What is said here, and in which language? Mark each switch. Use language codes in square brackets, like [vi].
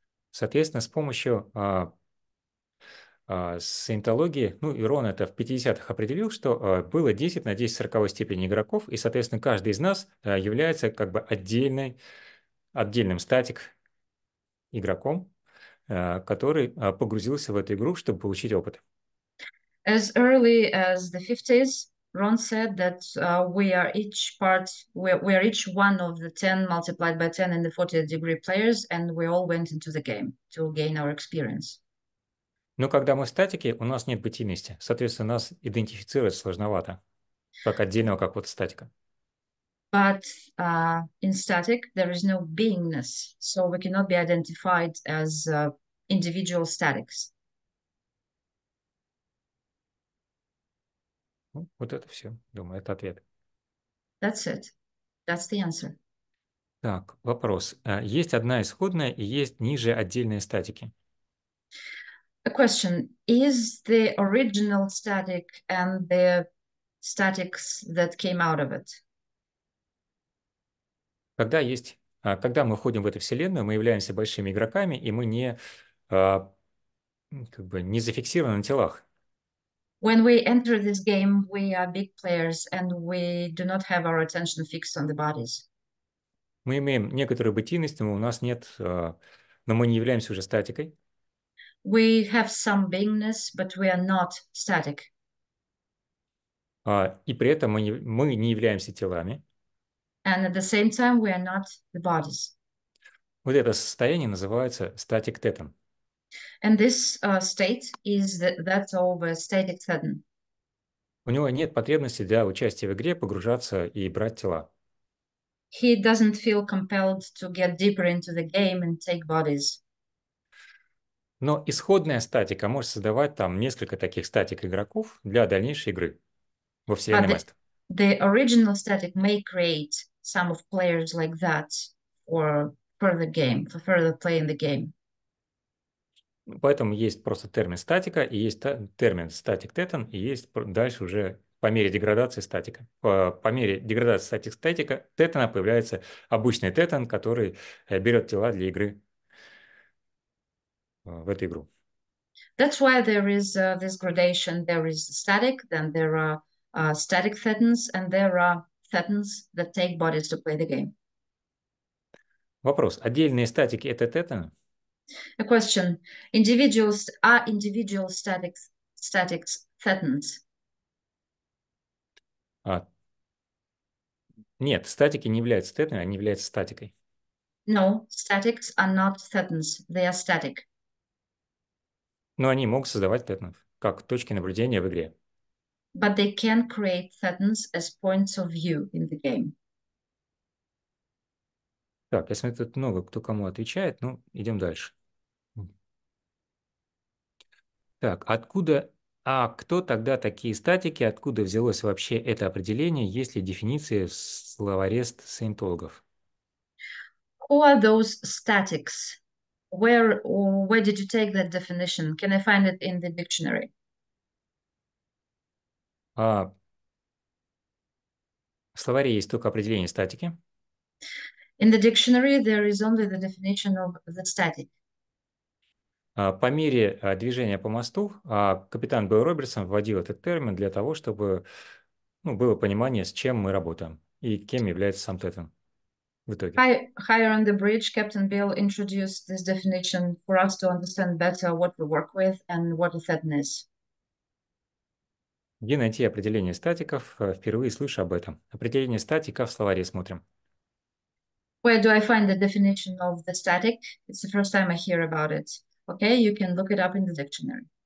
[ru] Соответственно, с помощью саентологии, ну, Ирон это в 50-х определил, что было 10 на 10 сороковой степени игроков, и, соответственно, каждый из нас является как бы отдельным статик-игроком, который погрузился в эту игру, чтобы получить опыт. [en] As early as the 50s, Ron said that we are each one of the 10 multiplied by 10 in the 40th degree players, and we all went into the game to gain our experience. [ru] Но когда мы в статике, у нас нет бытийности. Соответственно, нас идентифицировать сложновато, как отдельного какого-то статика. [en] But in static, there is no beingness, so we cannot be identified as individual statics. [ru] Ну, вот это все, думаю, это ответ. [en] That's it. That's the answer. [ru] Так, вопрос. Есть одна исходная и есть ниже отдельные статики. [en] A question. Is the original static and the statics that came out of it? [ru] Когда мы входим в эту вселенную, мы являемся большими игроками, и мы не как бы не зафиксированы на телах. [en] When we enter this game, we are big players and we do not have our attention fixed on the bodies. [ru] Мы имеем некоторую бытийность, но у нас нет, но мы не являемся уже статикой. [en] We have some beingness, but we are not static. [ru] И при этом мы не являемся телами. [en] And at the same time, we are not the bodies. [ru] Вот это состояние называется static theton. [en] And this state is that of a static theton. [ru] У него нет потребности для участия в игре погружаться и брать тела. [en] He doesn't feel compelled to get deeper into the game and take bodies. [ru] Но исходная статика может создавать там несколько таких статик игроков для дальнейшей игры во вселенной Маст. [en] The original static may create some of players like that for further game, for further play in the game. [ru] Поэтому есть просто термин статика, и есть термин static theton, и есть дальше уже по мере деградации статика. По мере деградации статика тетона появляется обычный тетон, который берет тела для игры в эту игру. [en] That's why there is this gradation. There is static, then there are static thetons, and there are thetons that take bodies to play the game. [ru] Вопрос. Отдельные статики – это тетоны? [en] A question. Individuals are individual statics thetons? [ru] Нет, статики не являются тетонами, они являются статикой. [en] No, statics are not thetons. They are static. [ru] Но они могут создавать тетонов, как точки наблюдения в игре. [en] But they can create thetons as points of view in the game. [ru] Так, я смотрю, тут много кто кому отвечает, ну, идем дальше. Так, откуда... А кто тогда такие статики? Откуда взялось вообще это определение? Есть ли дефиниции в словаре саентологов? [en] Who are those statics? Where did you take that definition? Can I find it in the dictionary? [ru] В словаре есть только определение статики. [en] In the dictionary, there is only the definition of the static. [ru] По мере движения по мосту, капитан Бэл Робертсон вводил этот термин для того, чтобы ну, было понимание, с чем мы работаем и кем является сам Тэттон в итоге. [en] Higher on the bridge, Captain Bill introduced this definition for us to understand better what we work with and what a Тэттон is. [ru] Где найти определение статиков? Впервые слышу об этом. Определение статика в словаре смотрим. [en] Where do I find the definition of the static? It's the first time I hear about it. Okay, you can look it up in the dictionary.